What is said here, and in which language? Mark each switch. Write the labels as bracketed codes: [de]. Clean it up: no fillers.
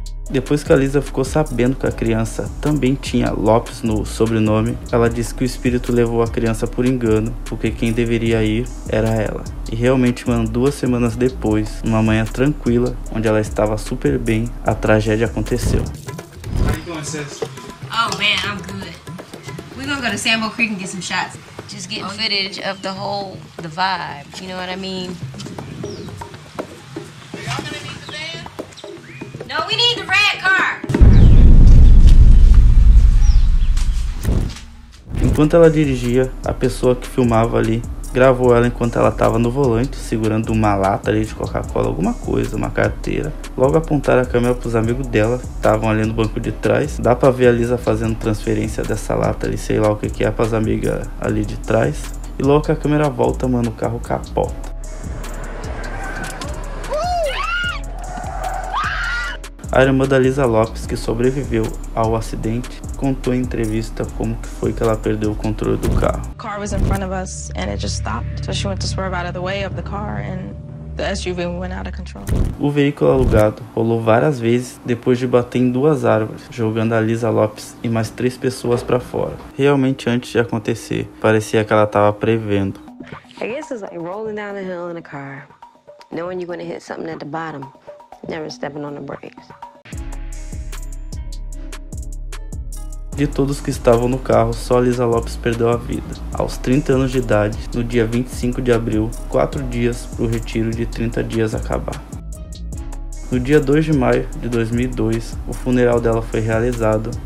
[pt] Depois que a Lisa ficou sabendo que a criança também tinha Lopes no sobrenome, ela disse que o espírito levou a criança por engano, porque quem deveria ir era ela. E realmente, mano, duas semanas depois, numa manhã tranquila, onde ela estava super bem, a tragédia aconteceu. Como você está, Sam? [en] Oh, man, I'm good. We're gonna go to Sambo Creek and get some shots. Just getting footage of the whole, the vibe, you know what I mean? No, we need the red car. [pt] Enquanto ela dirigia, a pessoa que filmava ali gravou ela enquanto ela estava no volante, segurando uma lata ali de Coca-Cola, alguma coisa, uma carteira. Logo apontaram a câmera para os amigos dela, que estavam ali no banco de trás. Dá para ver a Lisa fazendo transferência dessa lata ali, sei lá o que é, para as amigas ali de trás. E logo que a câmera volta, mano, o carro capota. A irmã da Lisa Lopes, que sobreviveu ao acidente, contou em entrevista como que foi que ela perdeu o controle do carro. [en] The car was in front of us and it just stopped. So she went to swerve out of the way of the car and the SUV went out of control. [pt] O veículo alugado rolou várias vezes depois de bater em duas árvores, jogando a Lisa Lopes e mais três pessoas para fora. Realmente antes de acontecer, parecia que ela estava prevendo. [en] I guess it's like rolling down a hill in a car, knowing you're gonna hit something at the bottom. Never stepping on the brakes. [pt] De todos que estavam no carro, só a Lisa Lopes perdeu a vida. Aos 30 anos de idade, no dia 25 de abril, 4 dias para o retiro de 30 dias acabar. No dia 2 de maio de 2002, o funeral dela foi realizado.